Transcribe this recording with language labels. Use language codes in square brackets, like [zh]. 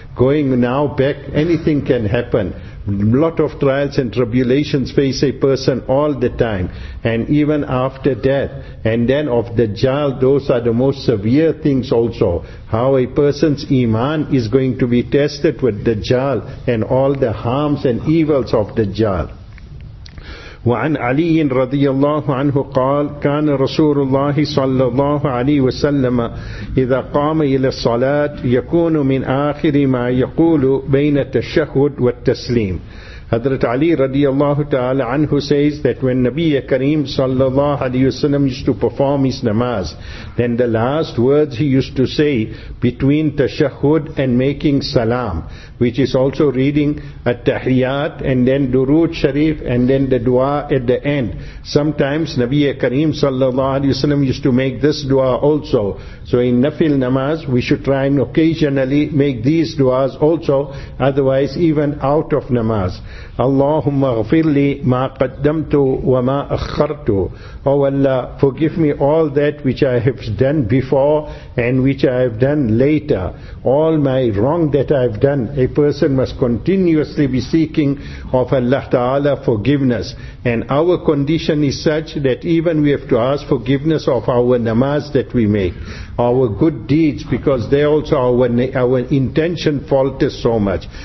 [en] Going now back, anything can happen. Lot of trials and tribulations face a person all the time, and even after death. And then of the Dajjal, those are the most severe things also. How a person's iman is going to be tested with the Dajjal, and all the harms and evils of the Dajjal. [ar] وعن علي رضي الله عنه قال كان رسول الله صلى الله عليه وسلم إذا قام إلى الصلاة يكون من آخر ما يقول بين التشهد والتسليم. [en] Hazrat Ali radiyallahu ta'ala anhu says that when Nabiya Kareem sallallahu alayhi wa sallam used to perform his namaz, then the last words he used to say between tashahud and making salam, which is also reading at-tahiyyat and then durood sharif and then the dua at the end. Sometimes Nabiya Kareem sallallahu alayhi wa sallam used to make this dua also. So in nafil namaz, we should try and occasionally make these duas also, otherwise even out of namaz. [ar] اللهم اغفر لي ما قدمت وما أخرت. [en] Oh Allah, forgive me all that which I have done before and which I have done later. All my wrong that I have done. A person must continuously be seeking of Allah Ta'ala forgiveness. And our condition is such that even we have to ask forgiveness of our namaz that we make, our good deeds, because they also our intention falters so much.